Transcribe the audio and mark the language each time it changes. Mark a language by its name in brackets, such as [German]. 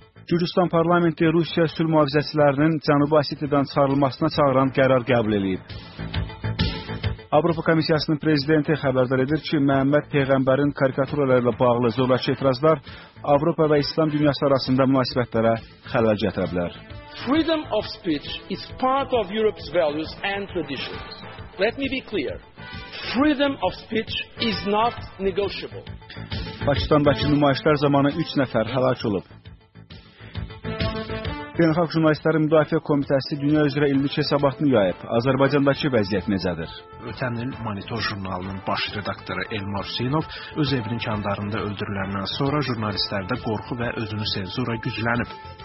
[Azerbaijani] Gürcüstan parlamenti Rusiya sülh mühafizəçilərinin Cənubi Ossetiyadan çıxarılmasına çağıran qərar qəbul edib. Avropa Komissiyasının prezidenti xəbərdar edir ki, Məhəmməd Peyğəmbərin karikaturalarla bağlı zorakı etirazlar Avropa və İslam dünyası arasında münasibətlərə xələl gətirə bilər. [English] Freedom of speech is part of Europe's values and traditions. Let me be clear. Freedom of speech is not negotiable. [Azerbaijani] Pakistandakı nümayişlər zamanı 3 nəfər həlak olub. Beynəlxalq Jurnalistlərin Müdafiə Komitəsi dünya üzrə illik hesabatını yayıb. Azərbaycandakı vəziyyət necədir? Ötən il Monitor jurnalının baş redaktoru Elmar Hüseynov öz evinin kandarında öldürüləndən sonra jurnalistlərdə qorxu və özünü senzura güclənib.